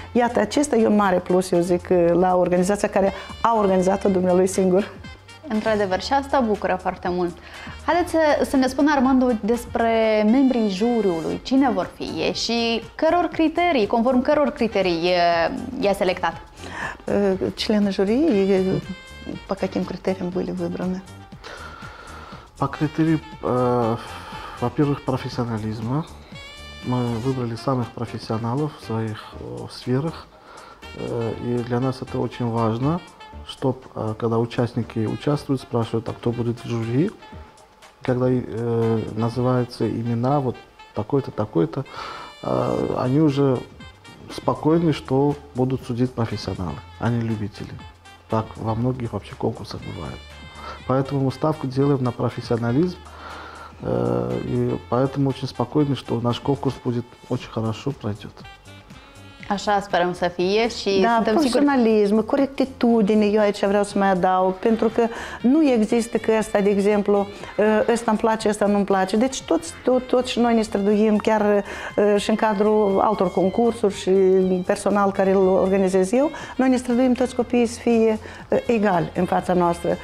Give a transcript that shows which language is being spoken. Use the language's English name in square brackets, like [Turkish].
[Romanian] Iată, acesta e un mare plus, eu zic, la organizația care a organizat-o dumnealui singur. Într-adevăr, și asta bucură foarte mult. Haideți să ne spună, Armando, despre membrii juriului, cine vor fi și căror criterii, conform căror criterii i-a selectat? [Russian] Члены жюри, по каким критериям были выбраны? По критерию, во-первых, профессионализма. Мы выбрали самых профессионалов в своих сферах, и для нас это очень важно. Чтоб, когда участники участвуют, спрашивают, а кто будет в жюри, когда называются имена, вот такой-то, такой-то, они уже спокойны, что будут судить профессионалы, а не любители. Так во многих вообще конкурсах бывает. Поэтому мы ставку делаем на профессионализм, и поэтому очень спокойны, что наш конкурс будет очень хорошо пройдет. [Romanian] Așa sperăm să fie și da, suntem sigur. Da, profesionalism, corectitudine, eu aici vreau să mai adaug, pentru că nu există că ăsta, de exemplu, ăsta îmi place, ăsta nu-mi place. Deci toți noi ne străduim chiar și în cadrul altor concursuri și personal care îl organizez eu, noi ne străduim toți copiii să fie egali în fața noastră.